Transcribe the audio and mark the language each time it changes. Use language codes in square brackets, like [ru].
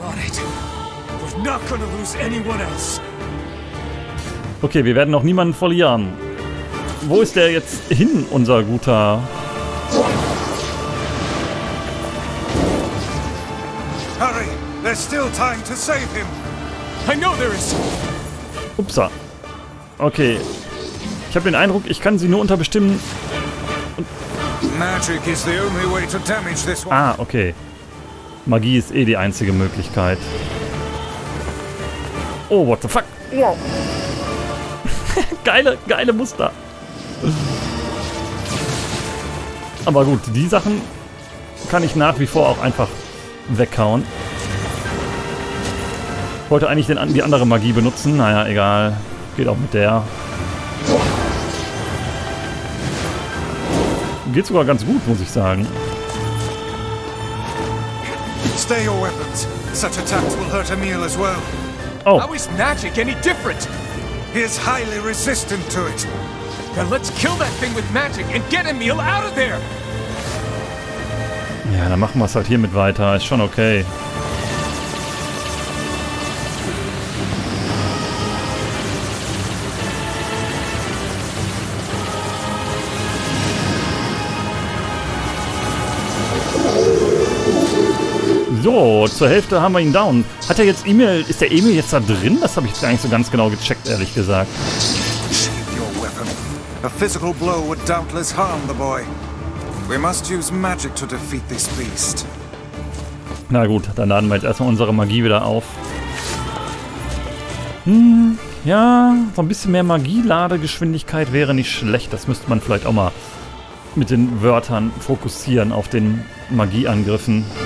[en] We're not gonna lose anyone else. [de] Okay, wir werden noch niemanden verlieren. Wo ist der jetzt hin, unser guter? [en] Hurry, there's still time to save him. I know there is. Upsa. Okay. [de] Ich habe den Eindruck, ich kann sie nur unter bestimmten. [en] Magic is the only way to damage this one. Ah, okay. [de] Magie ist eh die einzige Möglichkeit. [en] Oh, what the fuck? Wow. [de] geile Muster. Aber gut, die Sachen kann ich nach wie vor auch einfach weghauen. Ich wollte eigentlich die andere Magie benutzen. Naja, egal. Geht auch mit der. Geht sogar ganz gut, muss ich sagen. [en] Stay your weapons. Such attacks will hurt Emil as well. Oh. How is magic any different? He is highly resistant to it. Then let's kill that thing with magic and get Emil out of there. [de] Ja, dann machen wir es halt hiermit weiter. Ist schon okay. So, zur Hälfte haben wir ihn down. Hat er jetzt Emil? Ist der Emil jetzt da drin? Das habe ich jetzt gar nicht so ganz genau gecheckt, ehrlich gesagt. [en] Save your weapon. A physical blow would doubtless harm the boy. We must use magic to defeat this beast. [de] Na gut, dann laden wir jetzt erstmal unsere Magie wieder auf. Ja, so ein bisschen mehr Magieladegeschwindigkeit wäre nicht schlecht. Das müsste man vielleicht auch mal mit den Wörtern fokussieren auf den Magieangriffen.